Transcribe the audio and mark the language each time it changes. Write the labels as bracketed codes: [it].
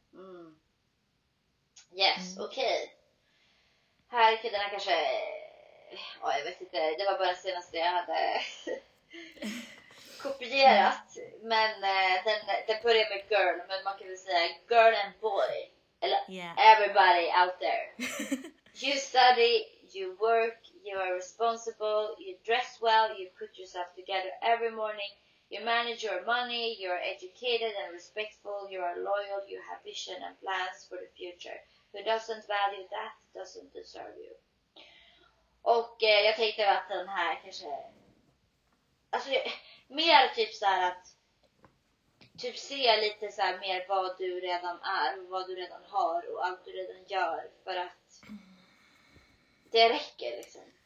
[sv] Mm. Yes, okej. Okay. Här är killarna kanske, ja, jag vet inte, det var bara senast det jag hade kopierat. Men den började med girl, men man kan väl säga [en] girl and boy. Everybody out there. You study, you work, you are responsible, you dress well, you put yourself together every morning, you manage your money, you are educated and respectful, you are loyal, you have vision and plans for the future. Who doesn't value that doesn't deserve you. [sv] Och jag tänkte att den här kanske, alltså mer typ så här att typ se lite så här mer vad du redan är och vad du redan har och allt du redan gör, för att det räcker liksom.